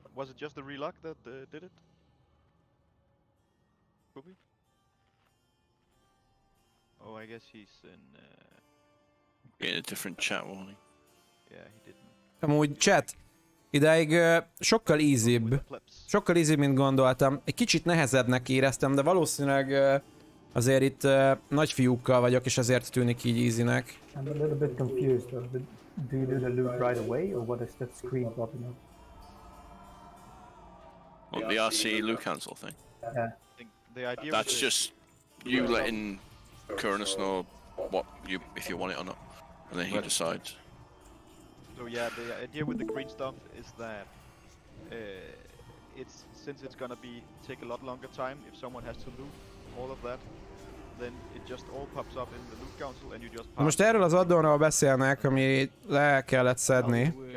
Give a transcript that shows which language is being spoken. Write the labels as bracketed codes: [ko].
[en] Was it just the reluck that did it? Poopy? Oh, I guess he's in in a different chat, wasn't he? Yeah, he didn't. [hu] Amúgy chat, ideig sokkal easybb. Sokkal easybb, mint gondoltam. Egy kicsit nehezebbnek éreztem, de valószínűleg azért itt nagy fiúkkal vagyok, és ezért tűnik így easynek. [en] I'm a little bit confused. Do you do the loop right away, or what is that screen popping up? On the RC loot cancel thing. Yeah. The idea that's just you letting Kurnus know what you if you want it or not, and then he right. decides. So yeah, the idea with the green stuff is that it's since it's gonna be take a lot longer time if someone has to loot all of that, then it just all pops up in the loot council and you just. Pass. [hu] Most erről az addonról beszélnek, ami le kellett szedni.